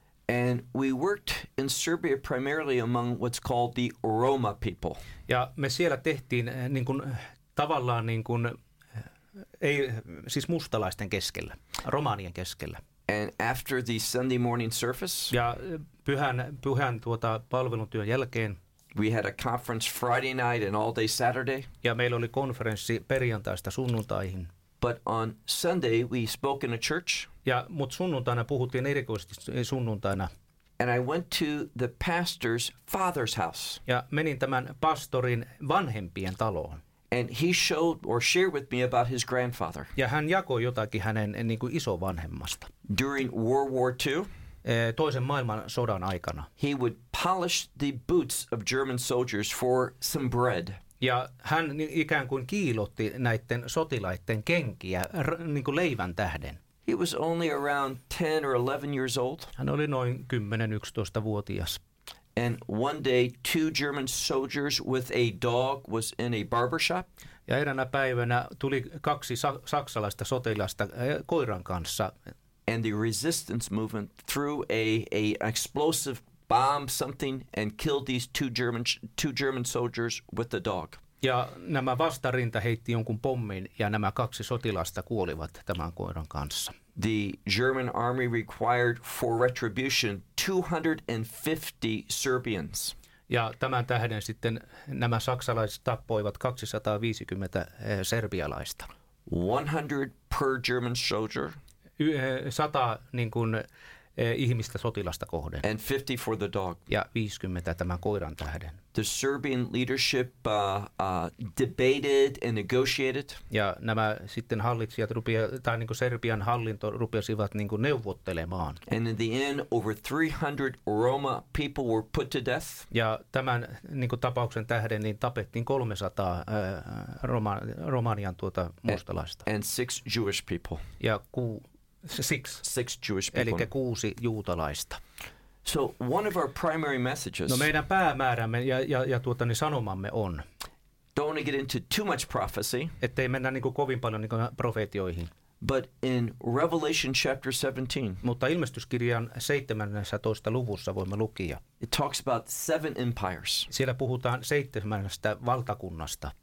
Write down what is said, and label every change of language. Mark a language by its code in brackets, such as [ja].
[en] And we worked in Serbia primarily among what's called the Roma people. [fi] Ja me siellä tehtiin niin kuin tavallaan niin kuin ei siis mustalaisten keskellä, romanien keskellä. [en] And after the Sunday morning service, [fi] ja pyhän palveluntyön jälkeen, [en] we had a conference Friday night and all day Saturday. [fi] Ja meillä oli konferenssi perjantaista sunnuntaihin. [en] But on Sunday we spoke in a church. [fi] Ja mut sunnuntaina puhuttiin erikoisesti sunnuntaina. [en] And I went to the pastor's father's house. [fi] Ja menin tämän pastorin vanhempien taloon. [en] And he showed or shared with me about his grandfather. [fi] Ja hän jakoi jotakin hänen niin kuin isovanhemmasta. [en] During World War II. [fi] Toisen maailmansodan aikana. [en] He would polish the boots of German soldiers for some bread. [fi] Ja hän ikään kuin kiilotti näiden sotilaiden kenkiä niin kuin leivän tähden. [en] He was only around 10 or 11 years old. [fi] Hän oli noin 10-11 vuotias. [en] And one day two German soldiers with a dog was in a barbershop. [fi] Ja eräänä päivänä tuli kaksi saksalaista sotilasta koiran kanssa. [en] And the resistance movement threw a explosive bomb something and killed these two German soldiers with the dog. [fi] Ja nämä vastarinta heitti jonkun pommin ja nämä kaksi sotilasta kuolivat tämän koiran kanssa. [en] The German army required for retribution 250 Serbians. [fi] Ja tämän tähden sitten nämä saksalaiset tappoivat 250 serbialaista. [en] 100 per German soldier. [fi] 100 niin kuin ihmistä sotilasta kohden. [en] And 50 for the dog. [fi] Ja 50 tämän koiran tähden. [en] The Serbian leadership debated and negotiated. [fi] Ja nämä sitten hallitsijat Serbian hallinto rupesivat niin kuin neuvottelemaan. [en] And in the end over 300 Roma people were put to death. [fi] Ja tämän niin kuin tapauksen tähden niin tapettiin 300 romanian mustalaista. [en] And 6 Jewish people. [fi] Ja six [en] Jewish people. [fi] Eli 6 juutalaista. [en] So one of our primary messages. [fi] No meidän päämäärämme ja sanomamme on. [en] Don't want to get into too much prophecy. [fi] Ettei mennä niin kuin kovin paljon niin kuin profetioihin. [en] But in Revelation chapter 17. [fi] Mutta ilmestyskirjan 17. luvussa voimme lukia. [en] It talks about 7 empires. [fi] Siellä puhutaan 7 valtakunnasta.